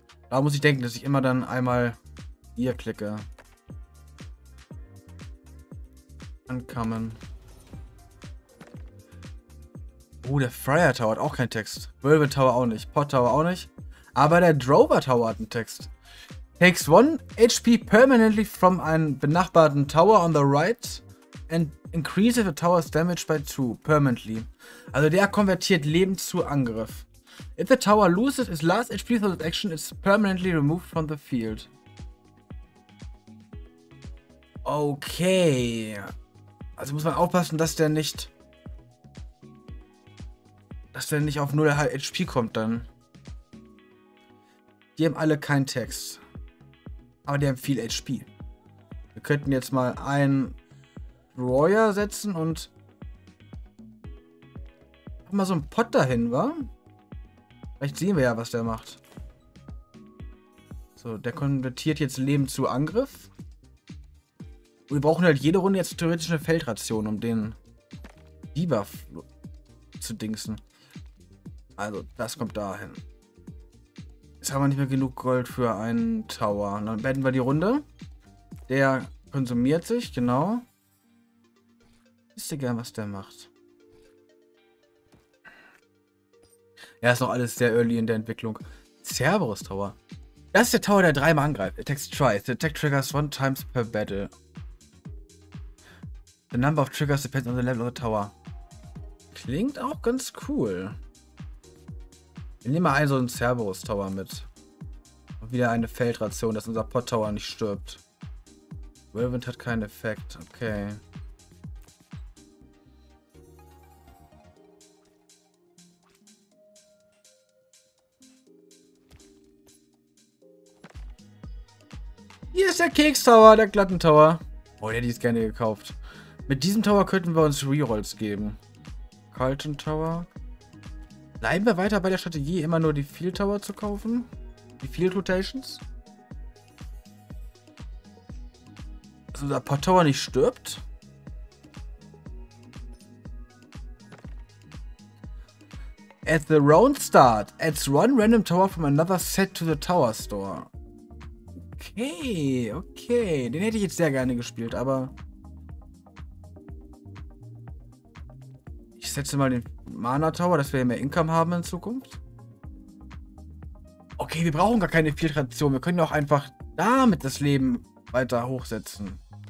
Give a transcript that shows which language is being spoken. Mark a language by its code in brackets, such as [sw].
[de] Da muss ich denken, dass ich immer dann einmal hier klicke. Ankommen. Der Friar Tower hat auch keinen Text. Wölbe Tower auch nicht. Pot Tower auch nicht. Aber der Drover Tower hat einen Text. [en] Takes 1 HP permanently from a benachbarten Tower on the right and increases the tower's damage by 2 permanently. [de] Also der konvertiert Leben zu Angriff. [en] If the tower loses its last HP for that action, it's permanently removed from the field. [de] Okay. Also muss man aufpassen, dass der nicht auf 0 HP kommt dann. Die haben alle keinen Text. Aber die haben viel HP. Wir könnten jetzt mal einen Warrior setzen und mal so einen Pot dahin, wa? Vielleicht sehen wir ja, was der macht. So, der konvertiert jetzt Leben zu Angriff. Und wir brauchen halt jede Runde jetzt theoretisch eine Feldration, um den Debuff zu dingsen. Also, das kommt dahin. Jetzt haben wir nicht mehr genug Gold für einen Tower. Und dann beenden wir die Runde. Der konsumiert sich, genau. Wisst ihr gern, was der macht? Ja, ist noch alles sehr early in der Entwicklung. Cerberus Tower. Das ist der Tower, der dreimal angreift. [en] Attacks twice. The attack triggers 1 time per battle. The number of triggers depends on the level of the tower. [de] Klingt auch ganz cool. Wir nehmen mal einen so einen Cerberus Tower mit. Und wieder eine Feldration, dass unser Pot Tower nicht stirbt. Whirlwind hat keinen Effekt. Okay. Hier ist der Keks Tower, der glatten Tower. Oh, der hätte ich gerne gekauft. Mit diesem Tower könnten wir uns Rerolls geben. Carlton Tower. Bleiben wir weiter bei der Strategie, immer nur die Field Tower zu kaufen? Die Field Rotations? Dass unser Pot Tower nicht stirbt? [en] At the round start, adds 1 random tower from another set to the tower store. [de] Okay. Den hätte ich jetzt sehr gerne gespielt, aber ich setze mal den Mana Tower, dass wir mehr Income haben in Zukunft. Okay, wir brauchen gar keine Filtration. Wir können ja auch einfach damit das Leben weiter hochsetzen.